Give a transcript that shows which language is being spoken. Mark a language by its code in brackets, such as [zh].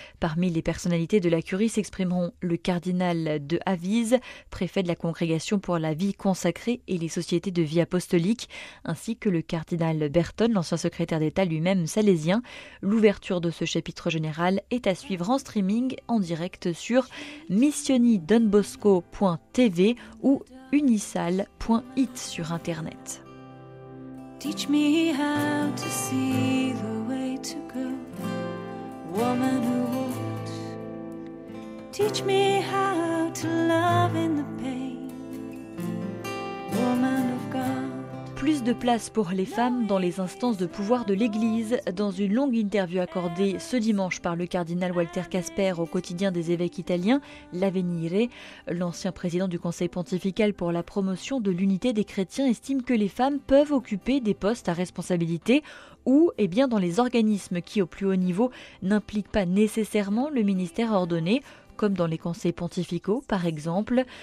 [fr] Parmi les personnalités de la curie s'exprimeront le cardinal de Avise, préfet de la Congrégation pour la vie consacrée et les sociétés de vie apostolique, ainsi que le cardinal Berton, l'ancien secrétaire d'État lui-même salésien. L'ouverture de ce chapitre général est à suivre en streaming en direct sur missionidonbosco.tv ou unisal.it sur internet. [en] Teach me how to see the way to go, woman who won't. Teach me how to love in the pain, woman of God. [fr] Plus de place pour les femmes dans les instances de pouvoir de l'Église. Dans une longue interview accordée ce dimanche par le cardinal Walter Casper au quotidien des évêques italiens, L'Avenire, l'ancien président du Conseil pontifical pour la promotion de l'unité des chrétiens estime que les femmes peuvent occuper des postes à responsabilité ou eh bien dans les organismes qui, au plus haut niveau, n'impliquent pas nécessairement le ministère ordonné, comme dans les conseils pontificaux, par exemple.